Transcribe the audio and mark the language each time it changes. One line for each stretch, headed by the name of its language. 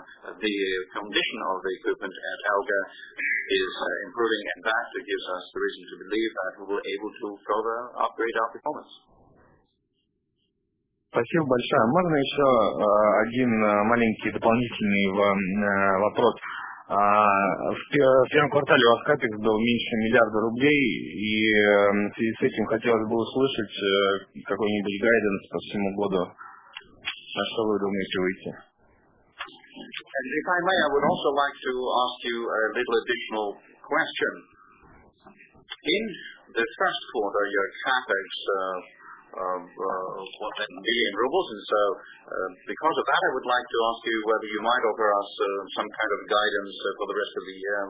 English: The condition of the equipment at Elga is improving, and that gives us the reason to believe that we will be able to further upgrade our performance.
Russian: Спасибо большое. Можно еще один маленький дополнительный вопрос? В первом квартале у вас капекс был меньше миллиарда рублей, и в связи с этим хотелось бы услышать какой-нибудь гайденс по всему году. На что вы думаете выйти?
English: If I may, I would also like to ask you a little additional question. In the first quarter, your capex was in billion rubles, and so because of that, I would like to ask you whether you might offer us some kind of guidance for the rest of the year.